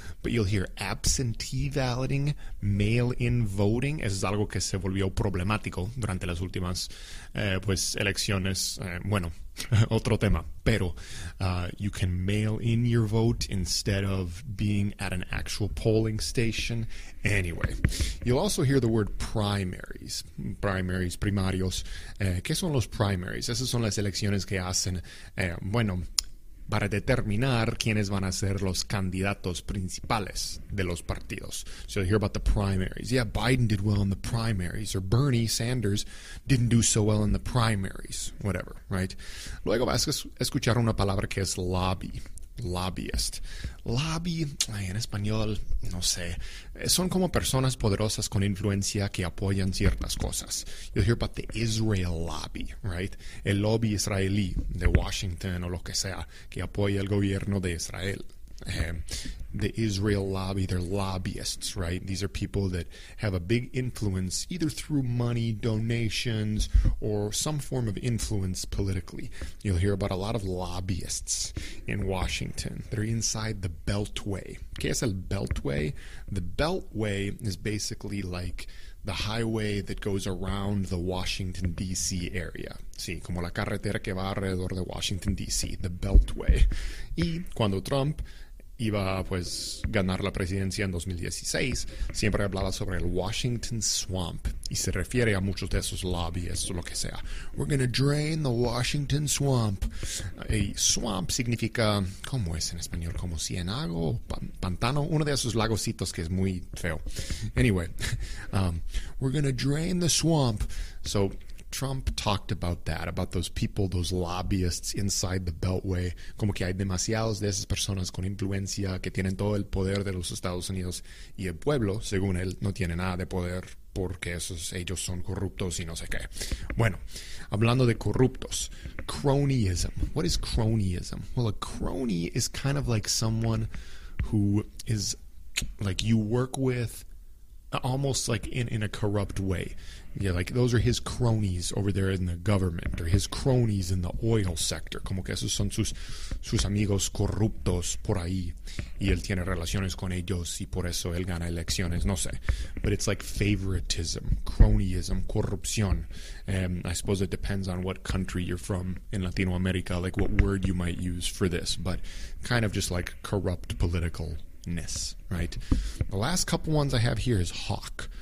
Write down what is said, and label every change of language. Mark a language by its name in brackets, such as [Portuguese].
[English] But you'll hear absentee balloting, mail-in voting. [Spanish] Eso es algo que se volvió problemático durante las últimas, pues, elecciones. Bueno, otro tema. Pero [English] you can mail in your vote instead of being at an actual polling station. Anyway, you'll also hear the word primaries. [Spanish] Primaries, primarios. ¿Qué son los primaries? Esas son las elecciones que hacen, bueno, para determinar quiénes van a ser los candidatos principales de los partidos. [English] So you'll hear about the primaries. Yeah, Biden did well in the primaries. Or Bernie Sanders didn't do so well in the primaries. Whatever, right? [Spanish] Luego vas a escuchar una palabra que es lobby. Lobbyist. Lobby, en español, no sé. Son como personas poderosas con influencia que apoyan ciertas cosas. [English] You'll hear about the Israel lobby, right? [Spanish] El lobby israelí de Washington o lo que sea, que apoya el gobierno de Israel. [English] The Israel lobby, they're lobbyists, right? These are people that have a big influence either through money, donations, or some form of influence politically. You'll hear about a lot of lobbyists in Washington. They're inside the Beltway. [Spanish] ¿Qué es el Beltway? [English] The Beltway is basically like the highway that goes around the Washington, D.C. [Spanish] area. Sí, como la carretera que va alrededor de Washington, D.C., the Beltway. Y cuando Trump iba, pues, ganar la presidencia en 2016, siempre hablaba sobre el Washington Swamp, y se refiere a muchos de esos lobbyists o lo que sea. [English] We're gonna drain the Washington Swamp. [Spanish] Y swamp significa, ¿cómo es en español? ¿Como cienago? ¿Pantano? Uno de esos lagocitos que es muy feo. [English] Anyway, we're gonna drain the swamp. So Trump talked about that, about those people, those lobbyists inside the Beltway. [Spanish] Como que hay demasiados de esas personas con influencia que tienen todo el poder de los Estados Unidos y el pueblo, según él, no tiene nada de poder porque esos, ellos son corruptos y no sé qué. Bueno, hablando de corruptos, cronyism. [English] What is cronyism? Well, a crony is kind of like someone who is like you work with almost like in a corrupt way. Yeah, like those are his cronies over there in the government, or his cronies in the oil sector. [Spanish] Como que esos son sus amigos corruptos por ahí, y él tiene relaciones con ellos, y por eso él gana elecciones, no sé. [English] But it's like favoritism, cronyism, corrupción. I suppose it depends on what country you're from in Latinoamérica, like what word you might use for this, but kind of just like corrupt political ness, right? The last couple ones I have here is hawk.